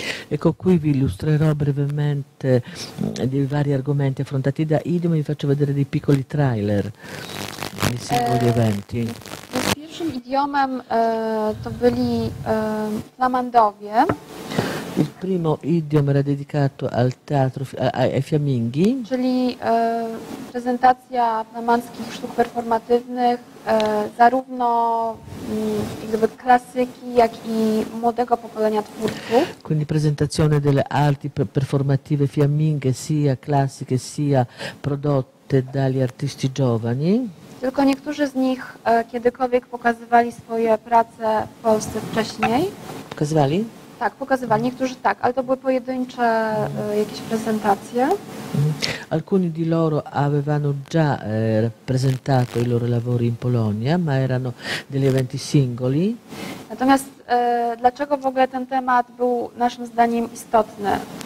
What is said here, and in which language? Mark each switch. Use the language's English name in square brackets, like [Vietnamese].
[Italian] Ecco qui vi illustrerò brevemente dei vari argomenti affrontati da Idiom e vi faccio vedere dei piccoli trailer dei singoli eventi. [Polish] Pierwszym idiomem to byli flamandowie. [Italian] Il primo idiom era dedicato al teatro ai fiamminghi. [Polish] Czyli prezentacja flamandzkich sztuk performatywnych, zarówno jakby klasyki, jak i młodego pokolenia twórców. [Italian] Quindi presentazione delle arti performative fiamminghe, sia classiche sia prodotte dagli artisti giovani. [Polish] Tylko niektórzy z nich kiedykolwiek pokazywali swoje prace w Polsce wcześniej. Pokazywali? Tak, pokazywali, niektórzy tak, ale to były pojedyncze jakieś prezentacje. [Italian] Alcuni di loro avevano già rappresentato i loro lavori in Polonia, ma erano degli eventi singoli. [Polish] Natomiast dlaczego w ogóle ten temat był naszym zdaniem istotny?